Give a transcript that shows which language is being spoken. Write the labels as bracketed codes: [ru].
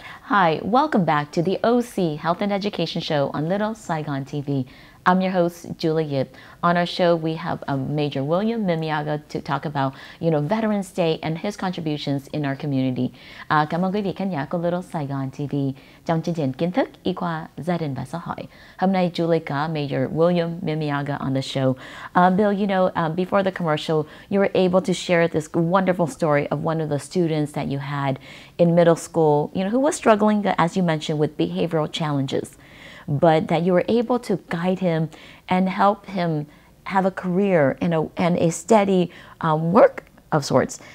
[en] Hi, welcome back to the OC Health and Education Show on Little Saigon TV. I'm your host, Julie Yip. On our show, we have Major William Mimiaga to talk about, you know, Veterans Day and his contributions in our community. [vi] Cảm ơn quý vị khán giả của Little Saigon TV trong chương trình Kiến Thức, Y Khoa, Gia Đình và Xã Hội. Hôm nay, Julie có Major William Mimiaga [en] on the show. Bill, you know, before the commercial, you were able to share this wonderful story of one of the students that you had in middle school, you know, who was struggling, as you mentioned, with behavioral challenges, but that you were able to guide him and help him have a career and a steady work of sorts.